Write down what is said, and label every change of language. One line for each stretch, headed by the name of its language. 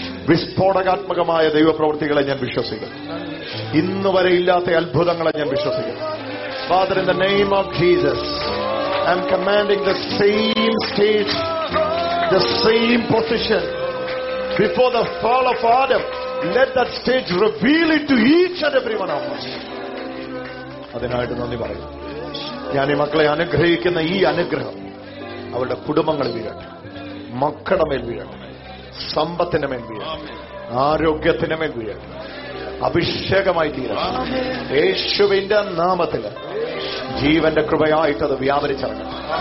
Malayalam: വിസ്ഫോടകാത്മകമായ ദൈവപ്രവൃത്തികളെ ഞാൻ വിശ്വസിക്കുന്നു. ഇന്ന് വരെ ഇല്ലാത്ത അത്ഭുതങ്ങളെ ഞാൻ വിശ്വസിക്കുന്നു.
English: Father, in the name of Jesus, I am commanding the same stage, the same position before the fall of Adam. Let that stage reveal it to each and every one of us.
Malayalam: അതിനായിട്ട് നന്ദി പറയുന്നു. ഞാൻ ഈ മക്കളെ അനുഗ്രഹിക്കുന്ന ഈ അനുഗ്രഹം അവരുടെ കുടുംബങ്ങളിൽ വീഴട്ടെ, മക്കളുടെ മേൽ വീഴട്ടെ, സമ്പത്തിന്റെ മേൽ വീഴട്ടെ, ആരോഗ്യത്തിന്റെ മേൽ വീഴട്ടെ, അഭിഷേകമായി തീരട്ടെ. യേശുവിന്റെ നാമത്തിൽ ജീവന്റെ കൃപയായിട്ട് അത് വ്യാപരിച്ചിറങ്ങട്ടെ.